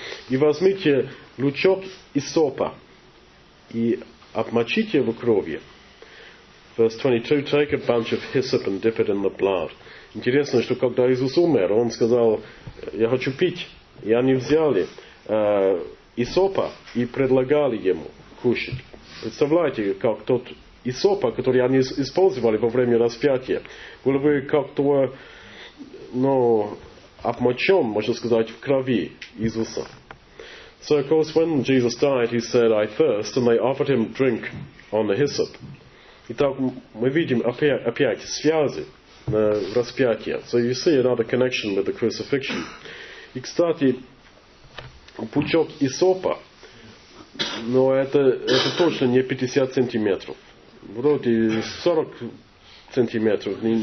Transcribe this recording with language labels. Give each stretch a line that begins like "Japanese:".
Russian: И возьмите лучок из сопа и обмочите его кровью.
English: Verse 22, take a bunch of hyssop and dip it in the blood.
Russian: Интересно, что когда Иисус умер, он сказал, я хочу пить. И они взяли исопа и предлагали ему кушать. Представляете, как тот исопа, который они использовали во время распятия, был бы как-то, ну, обмочен, можно сказать, в крови Иисуса.
English: So, of course, when Jesus died, he said, I thirst, and they offered him drink on the hyssop.
Russian: Итак, мы видим опять связи в распятии.
English: So you see another connection with the crucifixion.
Russian: И, кстати, пучок исопа, но это точно не 50 сантиметров. Вроде 40 сантиметров.